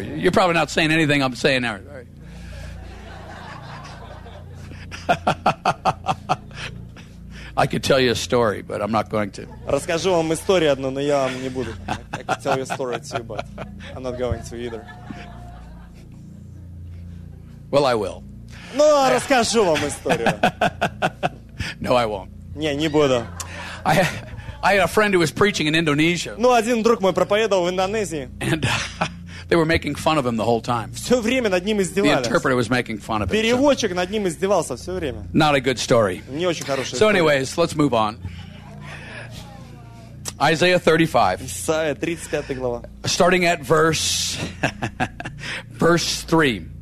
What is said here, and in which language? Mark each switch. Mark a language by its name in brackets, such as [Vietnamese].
[English] You're probably not saying anything I'm saying now. I could tell you a story, but I'm not going to. [Russian] Расскажу вам историю одну, но я вам не буду. [English] I could tell you a story too, but I'm not going to either. Well, I will. [Russian] Ну, расскажу вам историю. [English] No, I won't. [Russian] Не, не буду. [English] I had a friend who was preaching in Indonesia. [Russian] Ну, один друг мой проповедовал в Индонезии. [English] And they were making fun of him the whole time. [Russian] Все время над ним издевались. [English] The interpreter was making fun of him. [Russian] Переводчик над ним издевался все время. [English] Not a good story. [Russian] Не очень хорошая история. [English] So anyways, let's move on. Isaiah 35. [Russian] Исаия 35 глава. [English] Starting at verse 3.